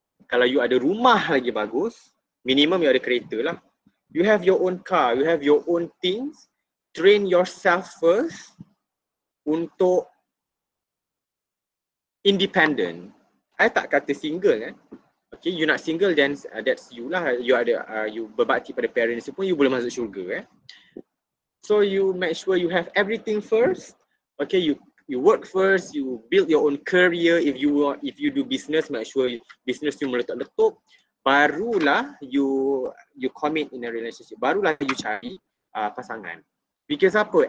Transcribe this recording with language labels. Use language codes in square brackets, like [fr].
[ms] Kalau you ada rumah lagi bagus, minimum you ada kereta lah. [en] You have your own car, you have your own things. Train yourself first [ms] untuk [en] independent. [ms] I tak kata single kan. Okay, you nak single [en] then that's you [ms] lah. You ada, you berbakti pada parents pun, you boleh masuk syurga eh. [en] So you make sure you have everything first. Okay, you work first, you build your own career. If you do business, make sure business you [ms] meletup-letup. [en] Barulah you commit in a relationship. [ms] Barulah you cari pasangan. [en] Because [ms] apa?